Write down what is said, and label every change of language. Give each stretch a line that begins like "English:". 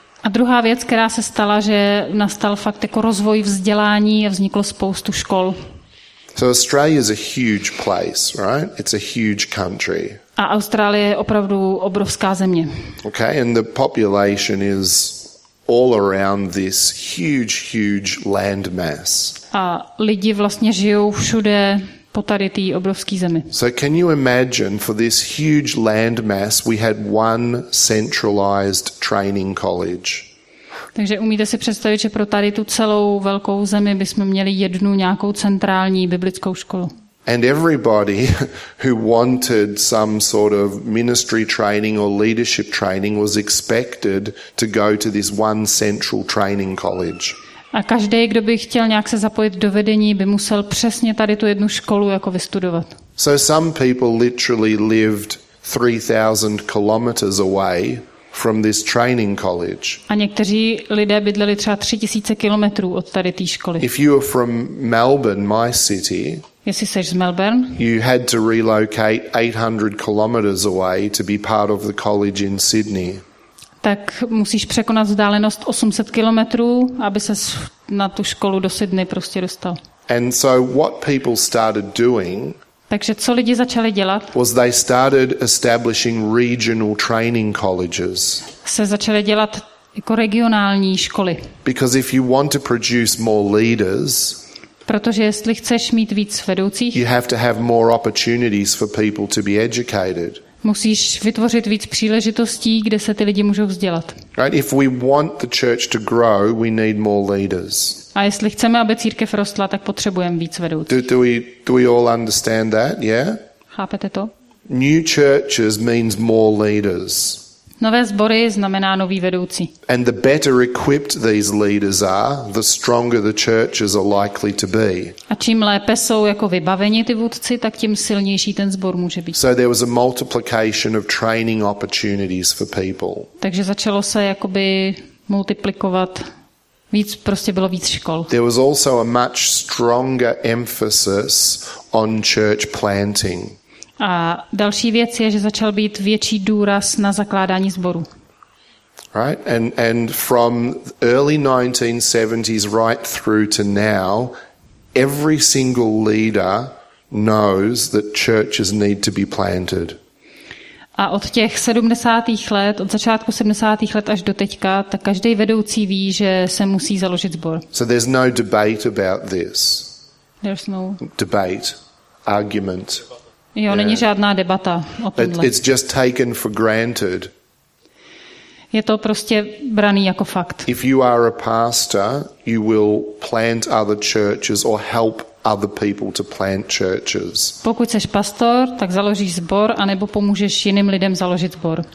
Czech: A druhá věc, která se stala, že nastal fakt jako rozvoj vzdělání a vzniklo spoustu škol.
English: So Australia is a huge place, right? It's a huge country.
Czech: A Austrálie je opravdu obrovská země.
English: Okay, and the population is all around this huge, huge landmass.
Czech: A lidi vlastně žijou všude po tady té obrovské zemi.
English: So can you imagine for this huge landmass we had one centralized training college?
Czech: Takže umíte si představit, že pro tady tu celou velkou zemi bychom měli jednu nějakou centrální biblickou školu.
English: And everybody who wanted some sort of ministry training or leadership training was expected to go to this one central training college.
Czech: A každý, kdo by chtěl nějak se zapojit do vedení, by musel přesně tady tu jednu školu jako vystudovat.
English: So some people literally lived 3000 kilometers away from this training college.
Czech: A někteří lidé bydleli třeba 3000 kilometrů od tady té školy.
English: If you were from Melbourne, my city,
Czech: jestli jsi z Melbourne,
English: you had to relocate 800 kilometers away to be part of the college in Sydney.
Czech: Tak musíš překonat vzdálenost 800 kilometrů, aby ses na tu školu do Sydney prostě dostal.
English: And so what people started doing?
Czech: Takže co lidi začali dělat?
English: Was they started establishing regional training colleges.
Czech: Se začali dělat jako regionální školy.
English: Because if you want to produce more leaders,
Czech: protože jestli chceš mít víc vedoucích,
English: you have to have more opportunities for people to be educated.
Czech: Musíš vytvořit víc příležitostí, kde se ty lidi můžou vzdělat.
English: Right? If we want the church to grow, we need more leaders.
Czech: A jestli chceme, aby církev rostla, tak potřebujeme víc vedoucích.
English: Do we all understand that? Yeah?
Czech: Chápete to?
English: New churches means more leaders.
Czech: Nové sbory znamená nový vedoucí.
English: And the better equipped these leaders are, the stronger the churches are likely to be.
Czech: A čím lépe jsou jako vybaveni ty vůdci, tak tím silnější ten sbor může být.
English: So there was a multiplication of training opportunities for people.
Czech: Takže začalo se jakoby multiplikovat, víc prostě bylo víc škol.
English: There was also a much stronger emphasis on church planting.
Czech: A další věc je, že začal být větší důraz na zakládání sboru.
English: Right, and from early 1970s right through to now, every single leader knows that churches need to be planted.
Czech: A od těch 70. let, od začátku 70. let až do teďka, tak každý vedoucí ví, že se musí založit sbor.
English: So there's no debate about this. There's no debate, argument. Jo, yeah.
Czech: Není žádná debata o tomhle.
English: It's just taken for granted.
Czech: Je to prostě braný jako fakt.
English: If you are a pastor, you will plant other churches or help other people to plant churches.
Czech: Pokud jsi pastor, tak založíš sbor a nebo pomůžeš jiným lidem založit sbor.